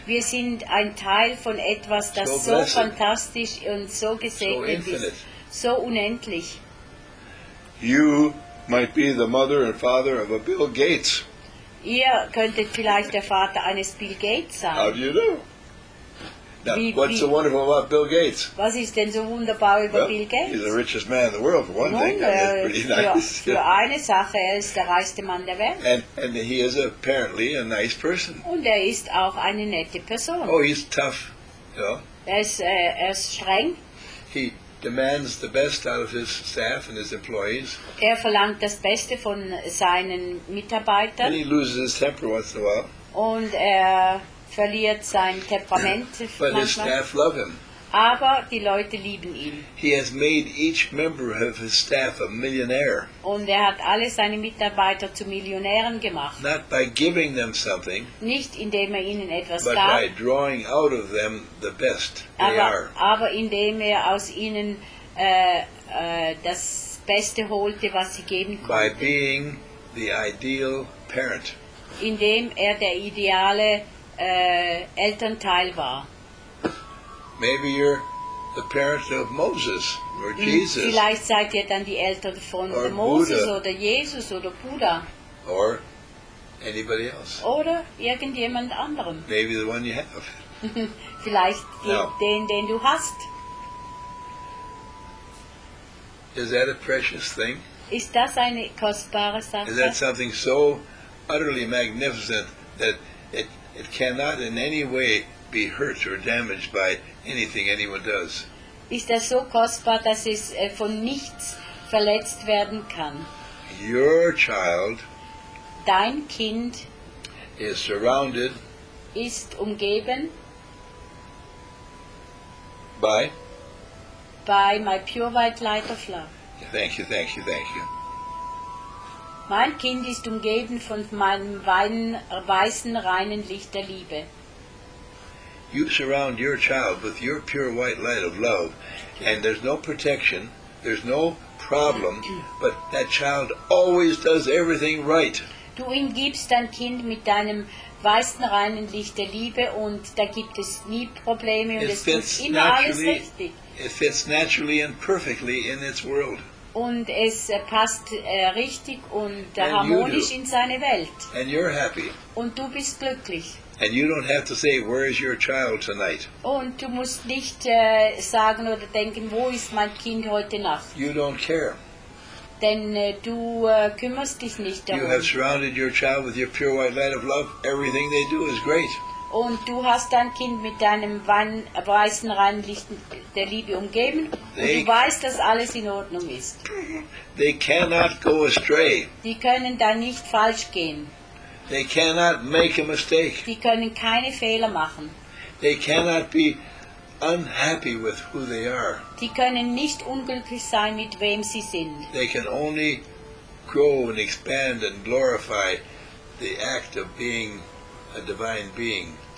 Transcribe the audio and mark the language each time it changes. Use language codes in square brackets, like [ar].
[de] Wir sind ein Teil von etwas, das so, [en] blessed, so [de] fantastisch und so gesegnet [en] so infinite [de] ist, so unendlich. [en] you might be the mother and father of a Bill Gates. [de] Ihr könntet vielleicht der Vater eines Bill Gates sein. [en] How do you know? Now, what's so wonderful about Bill Gates? [de] Was ist denn so wunderbar über Bill Gates? [en] He's the richest man in the world, for one thing. [de] Für eine Sache, ist der reichste Mann der Welt. [en] And he is apparently a nice person. [de] Und ist auch eine nette Person. [en] Oh, he's tough. Yeah. [de] Ist streng. [en] He demands the best out of his staff and his employees. [de] Verlangt das Beste von seinen Mitarbeitern. [en] And he loses his temper once in a while. [de] Und verliert sein Temperament [en] but his staff love him. [de] Aber die Leute lieben ihn. [en] He has made each member of his staff a millionaire. [de] Und hat alle seine Mitarbeiter zu Millionären gemacht. [en] Not by giving them something, [de] nicht indem ihnen etwas [en] but [de] gab, [en] by drawing out of them the best they are. [de] Aber indem aus ihnen das Beste holte, was sie geben konnte. [en] By being the ideal parent. [de] Indem der ideale Elternteil war. [en] Maybe you're the parent of Moses or Jesus. [de] Vielleicht seid dann die Eltern von [en] or Moses Buddha. [de] Oder Jesus oder Buddha. [en] Or anybody else. [de] Oder irgendjemand anderem. [en] Maybe the one you have. [de] Vielleicht den du hast. [en] Is that a precious thing? [de] Ist das eine kostbare Sache? [en] Is that something so utterly magnificent that it cannot in any way be hurt or damaged by anything anyone does? [de] Ist das so kostbar, dass es von nichts verletzt werden kann? [en] Your child, [de] dein Kind, [en] is surrounded, [de] ist umgeben, [en] by my pure white light of love. Thank you, thank you, thank you. [de] Mein Kind ist umgeben von meinem weißen, reinen Licht der Liebe. [en] You surround your child with your pure white light of love, and there's no protection, there's no problem, but that child always does everything right. [de] Du umgibst dein Kind mit deinem weißen, reinen Licht der Liebe, und da gibt es nie Probleme, und es tut immer alles richtig. [en] It fits naturally and perfectly in its world. [de] Und es passt richtig und harmonisch in seine Welt. [en] And you're happy. [de] Und du bist glücklich. [en] And you don't have to say, where is your child tonight? [de] Und du musst nicht sagen oder denken, wo ist mein Kind heute Nacht? [en] You don't care. [de] Denn du kümmerst dich nicht darum. [en] You have surrounded your child with your pure white light of love. Everything they do is great. [de] Und du hast dein Kind mit deinem weißen, reinen Licht der Liebe umgeben. Und du weißt, dass alles in Ordnung ist. [en] They cannot go astray. [de] Die können da nicht falsch gehen. [en] They cannot make a mistake. [de] Die können keine Fehler machen. [en] They cannot be unhappy with who they are. [de] Die können nicht unglücklich sein, mit wem sie sind. [en] They can only grow and expand and glorify the act of being a divine being.